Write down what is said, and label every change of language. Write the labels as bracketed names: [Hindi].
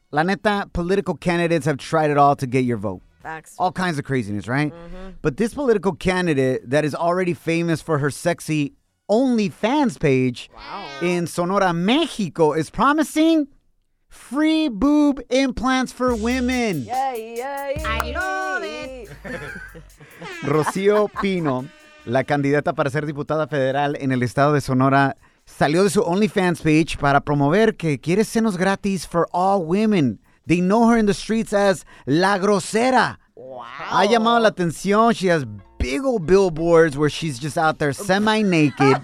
[Spanish] La neta, [English] political candidates have tried it all to get your vote. All kinds of craziness, right? Mm-hmm. But this political candidate that is already famous for her sexy OnlyFans page in Sonora, Mexico, is promising free boob implants for women. Yay, yay. I love it. [Spanish] Rocío Pino, la candidata para ser diputada federal en el estado de Sonora, salió de su OnlyFans page para promover que quiere senos gratis [English] for all women. They know her in the streets as La Grosera. Wow. [Spanish] Ha llamado la atención. [English] She has big old billboards where she's just out there semi-naked.